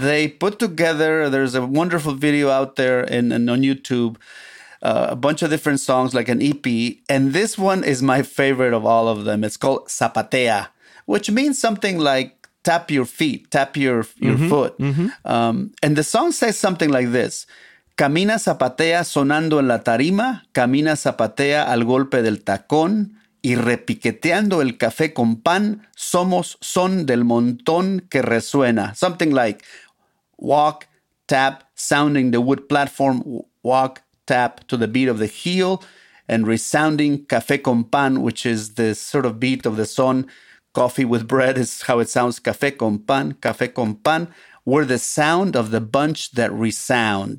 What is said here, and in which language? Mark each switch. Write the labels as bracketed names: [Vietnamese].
[English] They put together, there's a wonderful video out there and on YouTube, a bunch of different songs, like an EP. And this one is my favorite of all of them. It's called Zapatea, which means something like tap your feet, tap your mm-hmm. foot. Mm-hmm. And the song says something like this. [Spanish] Camina zapatea sonando en la tarima, camina zapatea al golpe del tacón y repiqueteando el café con pan, somos son del montón que resuena. [English] Something like walk, tap, sounding the wood platform, walk, tap to the beat of the heel and resounding café con pan, which is the sort of beat of the son. Coffee with bread is how it sounds. Café con pan, we're the sound of the bunch that resound.